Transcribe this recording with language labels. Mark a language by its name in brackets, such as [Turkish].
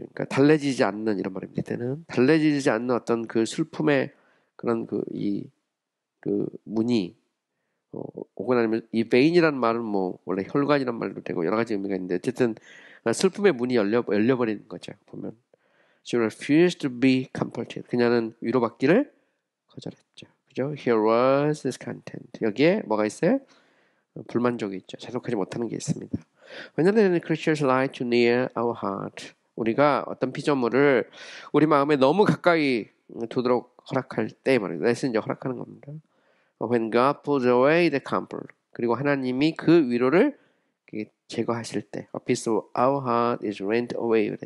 [Korean] 그러니까 달래지지 않는 이런 말입니다. 이때는 달래지지 않는 어떤 그 슬픔의 그런 그 무늬 혹은 아니면 이 vain이라는 말은 뭐 원래 혈관이란 말도 되고 여러 가지 의미가 있는데 어쨌든 슬픔의 문이 열려버리는 거죠. 보면 [English] She refused to be comforted. [Korean] 그녀는 위로받기를 거절했죠. [English] Here was this content. [Korean] 여기에 뭐가 있어요? 불만족이 있죠. 자족하지 못하는 게 있습니다. [English] When the creatures lie too near our heart. [Korean] 우리가 어떤 피조물을 우리 마음에 너무 가까이 두도록 허락할 때 말이죠. 그래서 이제 허락하는 겁니다. [English] When God pulls away the comfort. [Korean] 그리고 하나님이 그 위로를 제거하실 때 [English] A piece of our heart is rent away.